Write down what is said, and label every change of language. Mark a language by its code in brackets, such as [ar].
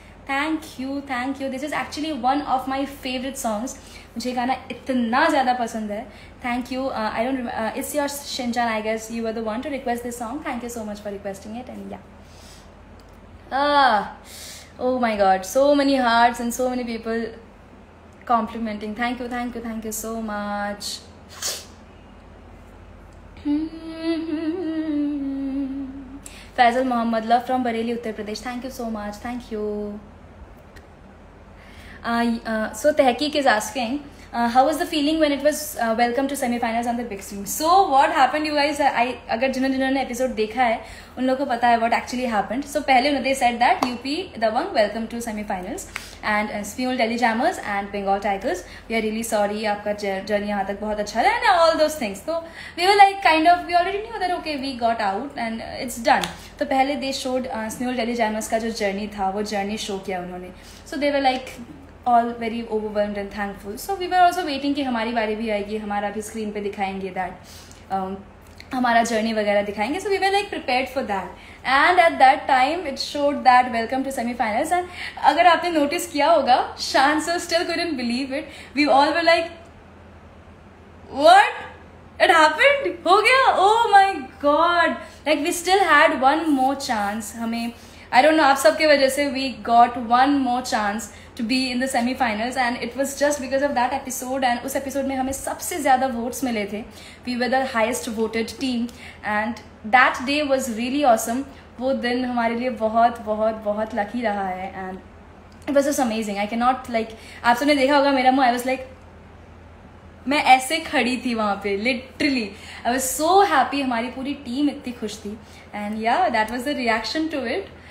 [en] Thank you this is actually one of my favourite songs. [hi] मुझे गाना इतना ज़्यादा पसंद है. [en] Thank you. I don't it's your Shinchan I guess you were the one to request this song. Thank you so much for requesting it. And yeah Oh my God, so many hearts and so many people complimenting. Thank you, thank you, thank you so much. Faisal Muhammad, love from Bareilly, Uttar Pradesh. Thank you so much, thank you. So Tehkeek is asking, how was the feeling when it was welcome to semi-finals on the big stream? So what happened, you guys? [hi] अगर जिन्होंने जिन्होंने episode देखा है उन लोगों को पता है [en] what actually happened. So [hi] पहले उन्होंने [en] said that UP Dabang welcome to semi-finals and Spinal Delhi Jammers and Bengal Tigers. We are really sorry, [hi] आपका journey यहाँ तक बहुत अच्छा था [en] and all those things. So we were like kind of, we already knew that okay, we got out and it's done. [hi] तो पहले [en] they showed [hi] Spinal Delhi Jammers का जो journey था वो journey show किया उन्होंने. [en] So they were like all very overwhelmed and thankful. So we were also waiting [hi] कि हमारी बारी भी आएगी, हमारा भी स्क्रीन पे दिखाएंगे [en] that, [hi] हमारा जर्नी वगैरह दिखाएंगे. [en] So we were like prepared for that. And at that time, it showed that welcome to semi-finals. [hi] And अगर आपने नोटिस किया होगा, शान sir [en] still couldn't believe it. We all were like, what? It happened? [hi] हो गया? [en] Oh my God! Like we still had one more chance. [hi] हमें [en] I don't know, [hi] आप सबके वजह से [en] we got one more chance to be in the semi-finals and it was just because of that episode. [hi] And उस episode में हमें सबसे ज़्यादा votes मिले थे. [en] We were the highest voted team and that day was really awesome. [hi] वो दिन हमारे लिए बहुत बहुत बहुत lucky रहा है [en] and it was just amazing. I cannot like, [hi] आप सबने देखा होगा मेरा मुँह, [en] I was like, [hi] मैं ऐसे खड़ी थी वहां पे literally. [en] I was so happy, [hi] हमारी पूरी टीम इतनी खुश थी. [en] And yeah that was the reaction to it.